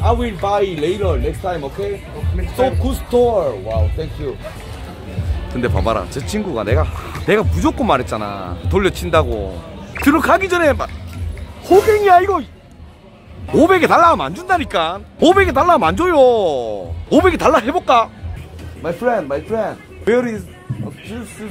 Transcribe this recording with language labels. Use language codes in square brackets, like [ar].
[en] I will buy later, next time, okay? So good store, wow, thank you. [ko] 근데 봐봐라, 저 친구가 내가 무조건 말했잖아, 돌려친다고. 들어가기 전에 막 호갱이야 이거. 500에 달라 하면 안 준다니까. 500에 달라 하면 안 줘요. 500에 달라 해볼까? [en] My friend, where is juice?